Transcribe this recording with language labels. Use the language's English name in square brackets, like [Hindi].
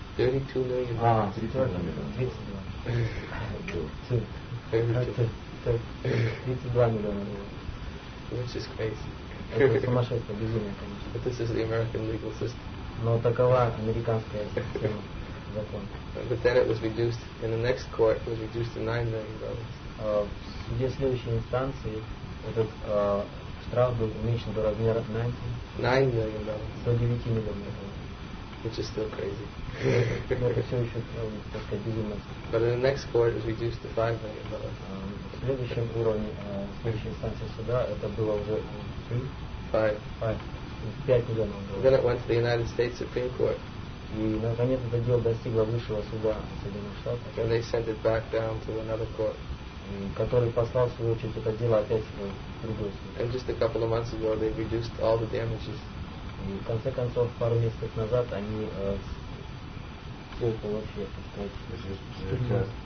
[Russian] 32 миллиона долларов. 32 миллиона долларов. Это сумасшедшее безумие, конечно. [English] But this is the American legal system. [Russian] Но такова американская система, закон. [English] But then it was reduced, in the next court, it was reduced to $9 million. [Russian] В суде следующей инстанции этот штраф был уменьшен до размера 9 миллионов долларов. [English] Which is still crazy. But in the next court, it's reduced to 5 million dollars. [Russian] Следующем уровне, следующей инстанции суда, это было уже 5 миллионов долларов. [English] Then it went to the United States Supreme Court. [Russian] И наконец это дело достигло высшего суда Соединенных Штатов. [English] And they sent it back down to another court. [Russian] Который послал в свою очередь это дело опять в другой суд. [English] And just a couple of months ago, they reduced all the damages. [Russian] И в конце концов, пару месяцев назад, они все это вообще, так сказать,